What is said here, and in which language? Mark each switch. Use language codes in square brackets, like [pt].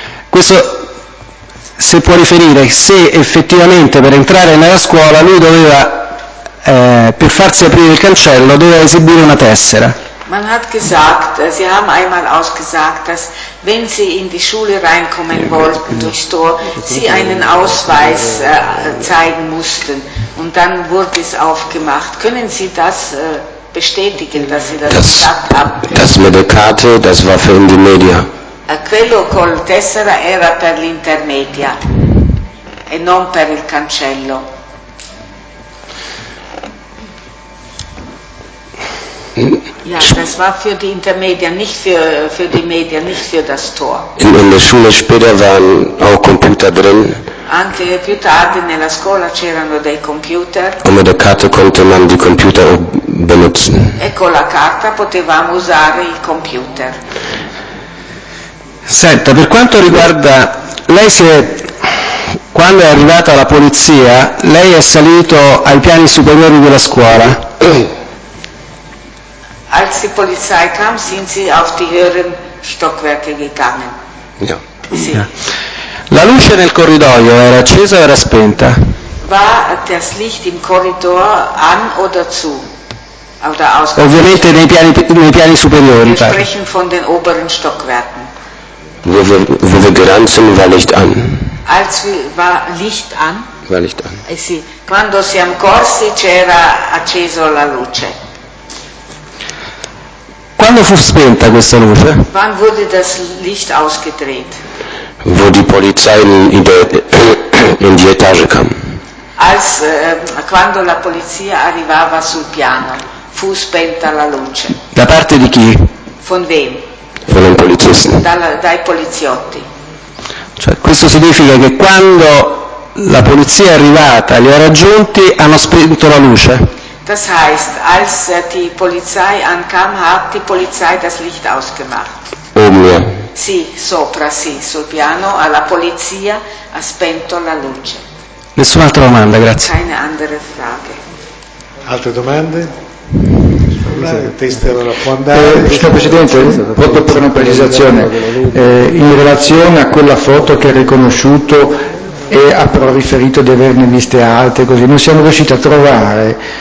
[it] Questo se può riferire se effettivamente per entrare nella scuola lui doveva, per farsi aprire il cancello, doveva esibire una tessera. [de] Man hat gesagt, Sie haben einmal ausgesagt, dass wenn Sie in die Schule reinkommen wollten durchs Tor, Sie einen Ausweis zeigen mussten und dann wurde es aufgemacht. Können Sie das bestätigen, dass Sie das gesagt haben? Das mit der Karte, das war für die Media. [it] Quello col tessera era per l'intermedia e non per il cancello. [de] Ja, das war für die Intermedia, nicht für die Media, nicht für das Tor. In der Schule später waren auch Computer drin. [it] Anche più tardi nella scuola c'erano dei computer. [de] Und mit der Karte konnte man die Computer benutzen. [it] E con la carta potevamo usare i computer. Senta, per quanto riguarda lei, si è, quando è arrivata la polizia, lei è salito ai piani superiori della scuola. [de] Als die Polizei kam, sind sie auf die höheren Stockwerke gegangen. Ja. [it] Sì. [de] Ja. [it] La luce nel corridoio era accesa o era spenta? [de] War das Licht im Korridor an oder zu? Oder ausgeschaltet? [it] Ovviamente nei piani superiori. [de] Wir sprechen von den oberen Stockwerken. Wo wir gerannt sind, war Licht an. Als wir, war Licht an? War Licht an. [it] Sì. Quando siamo corsi c'era acceso la luce. Quando fu spenta questa luce? [de] Wann wurde das Licht ausgedreht? Wo die Polizei in die Etage kam. Als [it] quando la polizia arrivava sul piano, fu spenta la luce. Da parte di chi? [de] Von wem? Von den Polizisten. [it] Dai poliziotti. Cioè, questo significa che quando la polizia è arrivata, li ha raggiunti, hanno spento la luce. [de] Das heißt, als die Polizei ankam, hat die Polizei das Licht ausgemacht. Oben, ja. [it] Sì, sopra, sì, sul piano, alla polizia ha spento la luce. Nessun'altra domanda, grazie. [de] Keine andere Frage. [it] Altre domande? Signor Presidente, proprio per una precisazione, in relazione a quella foto che ha riconosciuto e ha però riferito di averne viste altre, così, non siamo riusciti a trovare